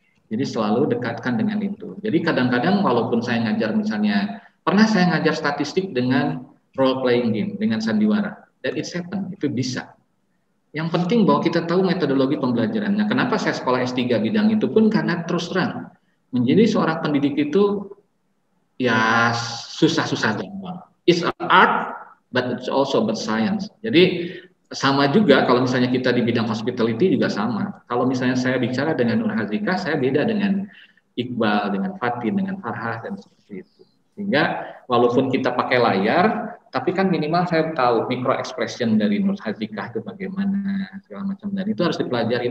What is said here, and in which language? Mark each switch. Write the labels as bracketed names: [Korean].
[Indonesian] Jadi selalu dekatkan dengan itu. Jadi kadang-kadang walaupun saya ngajar, misalnya pernah saya ngajar statistik dengan role playing game, dengan sandiwara. [English] That it happen, [Indonesian] itu bisa. Yang penting bahwa kita tahu metodologi pembelajarannya. Kenapa saya sekolah S3 bidang itu pun karena terus terang menjadi seorang pendidik itu ya susah-susah gampang. [English] It's an art, but it's also but science. [Indonesian] Jadi sama juga kalau misalnya kita di bidang hospitality juga sama. Kalau misalnya saya bicara dengan Nur Hazika, saya beda dengan Iqbal, dengan Fatin, dengan Farhah, dan seperti itu. Sehingga walaupun kita pakai layar, tapi kan minimal saya tahu micro expression dari Nur Hazika itu bagaimana, segala macam. Dan itu harus dipelajari.